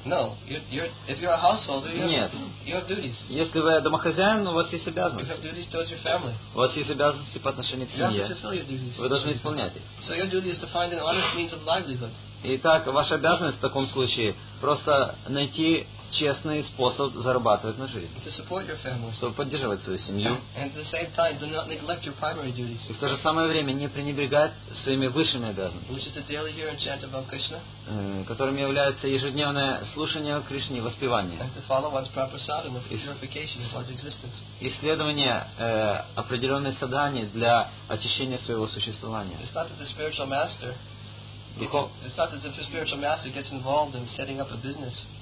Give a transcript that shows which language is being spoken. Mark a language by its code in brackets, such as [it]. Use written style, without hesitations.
[ru] Нет. Если вы домохозяин, у вас есть обязанности. У вас есть обязанности по отношению к семье. Вы должны исполнять их. Итак, ваша обязанность в таком случае — просто найти честный способ зарабатывать на жизнь, [en] to support your family, [ru] чтобы поддерживать свою семью, [en] and at the same time, do not neglect your primary duties, [ru] и в то же самое время не пренебрегать своими высшими обязанностями, которыми является ежедневное слушание о Кришне и воспевание, [en] and to follow one's proper sadhana for purification of one's existence. [ru] Исследование определенной садхани для очищения своего существования. [en] It's not that the spiritual master, It's not that the spiritual master gets involved in setting up a business.